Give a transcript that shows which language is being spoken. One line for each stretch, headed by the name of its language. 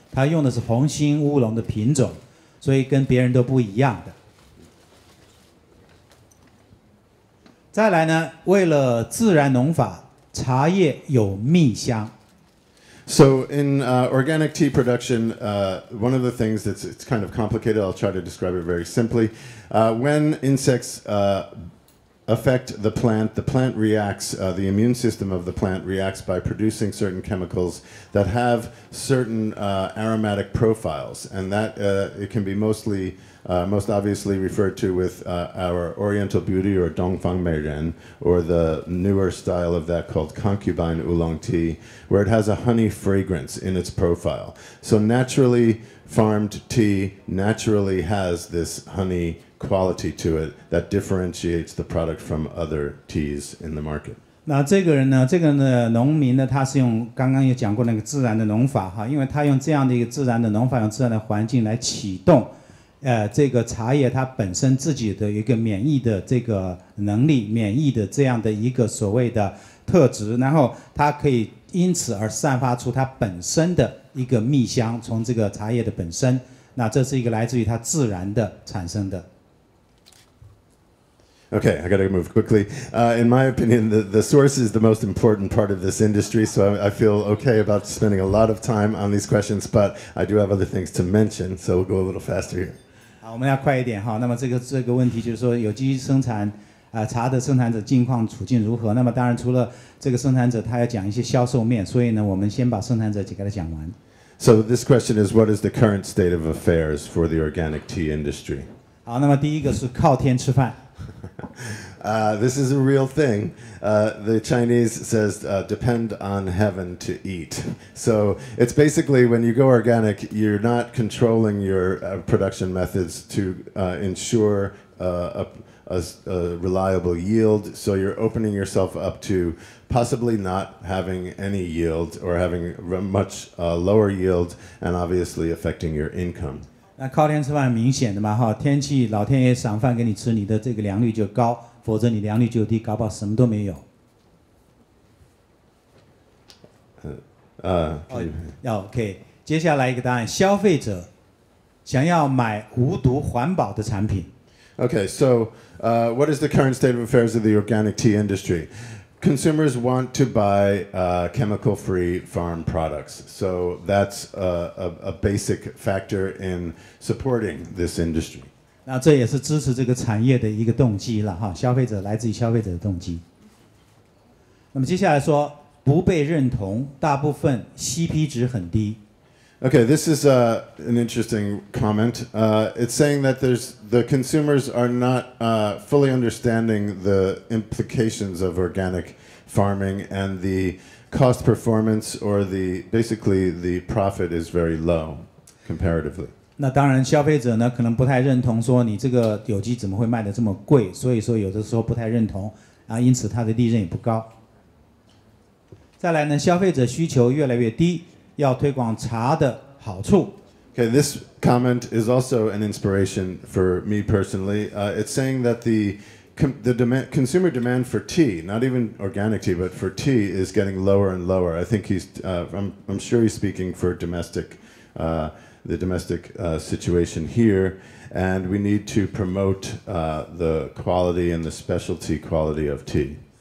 Chinese: 它用的是红心乌龙的品种，所以跟别人都不一样的。再来呢，为了自然农法，茶叶有蜜香。
English: So in organic tea production, one of the things that's it's kind of complicated, I'll try to describe it very simply. When insects affect the plant reacts, the immune system of the plant reacts by producing certain chemicals that have certain aromatic profiles. And that it can be mostly, most obviously referred to with our Oriental Beauty or Dongfang Meiren, or the newer style of that called concubine oolong tea, where it has a honey fragrance in its profile. So naturally farmed tea naturally has this honey quality to it that differentiates the product from other teas in the market.
Chinese: 那这个人呢，这个呢农民呢，他是用刚刚有讲过那个自然的农法哈，因为他用这样的一个自然的农法，用自然的环境来启动，这个茶叶它本身自己的一个免疫的这个能力，免疫的这样的一个所谓的特质，然后它可以因此而散发出它本身的一个蜜香，从这个茶叶的本身。那这是一个来自于它自然的产生的。
English: Okay, I gotta move quickly. In my opinion, the source is the most important part of this industry, so I feel okay about spending a lot of time on these questions, but I do have other things to mention, so we'll go a little faster here.
Chinese: 好，我们要快一点哈。那么这个问题就是说，有机生产，茶的生产者近况处境如何？那么当然，除了这个生产者，他要讲一些销售面，所以呢，我们先把生产者给他讲完。
English: So this question is, what is the current state of affairs for the organic tea industry?
Chinese: 好，那么第一个是靠天吃饭。
English: This is a real thing. The Chinese says, depend on heaven to eat. So it's basically when you go organic, you're not controlling your production methods to ensure a reliable yield. So you're opening yourself up to possibly not having any yield or having much lower yield and obviously affecting your income.
Chinese: 那靠天吃饭很明显的嘛，哈，天气老天爷赏饭给你吃，你的这个良率就高，否则你良率就低，搞不好什么都没有。 Okay， 接下来一个答案，消费者想要买无毒环保的产品。
English: Okay， so what is the current state of affairs of the organic tea industry? Consumers want to buy chemical-free farm products, so that's a basic factor in supporting this industry.
Chinese: 那这也是支持这个产业的一个动机了哈，消费者来自于消费者的动机。那么接下来说不被认同，大部分 CP 值很低。
English: Okay, this is an interesting comment. It's saying that the consumers are not fully understanding the implications of organic farming and the cost performance or basically the profit is very low comparatively.
Chinese: 那当然消费者呢可能不太认同说你这个有机怎么会卖得这么贵，所以说有的时候不太认同，因此它的利润也不高。再来呢，消费者需求越来越低，要推广茶的好处。
English: Okay, this comment is also an inspiration for me personally. It's saying that the consumer demand for tea, not even organic tea, but for tea is getting lower and lower. I think I'm sure he's speaking for the domestic situation here, and we need to promote the quality and the specialty quality of tea.